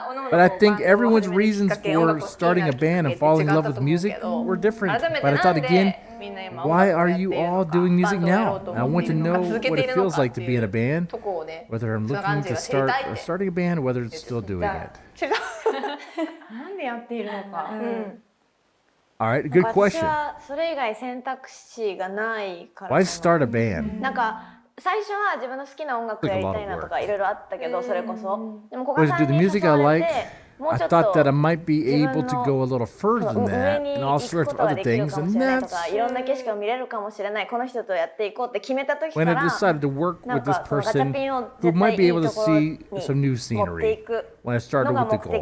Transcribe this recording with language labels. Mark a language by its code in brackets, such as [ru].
[en] But I think everyone's reasons for starting a band and falling in love with music were different. But I thought again, why are you all doing music now? And I want to know what it feels like to be in a band, whether I'm looking to start or starting a band, or whether it's still doing it. All right, good question. [ja] 私はそれ以外選択肢がないから。 [en] Why start a band? [ja] なんか最初は自分の好きな音楽やりたいなとかいろいろあったけど、それこそ。でもここ最近誘われて、 [en] I thought that I might be able to go a little further than that and all sorts of other things. And that's when I decided to work with this person who might be able to see some new scenery when I started with the goal.